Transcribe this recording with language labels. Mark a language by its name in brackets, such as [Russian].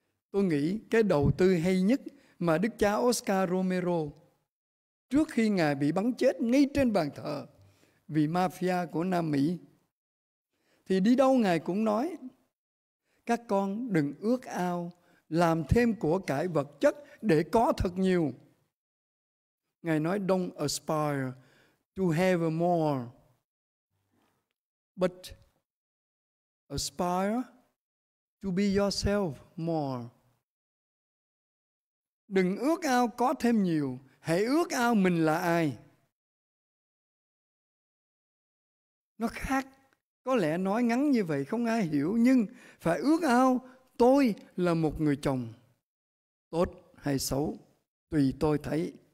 [Vietnamese] Tôi nghĩ cái đầu tư hay nhất mà Đức cha Oscar Romero, trước khi Ngài bị bắn chết ngay trên bàn thờ vì mafia của Nam Mỹ, thì đi đâu Ngài cũng nói, các con đừng ước ao làm thêm của cải vật chất để có thật nhiều. Ngài nói, [English] don't aspire to have more, but aspire to be yourself more. [Vietnamese] Đừng ước ao có thêm nhiều, hãy ước ao mình là ai. Nó khác, có lẽ nói ngắn như vậy không ai hiểu, nhưng phải ước ao tôi là một người chồng tốt hay xấu, tùy tôi thấy.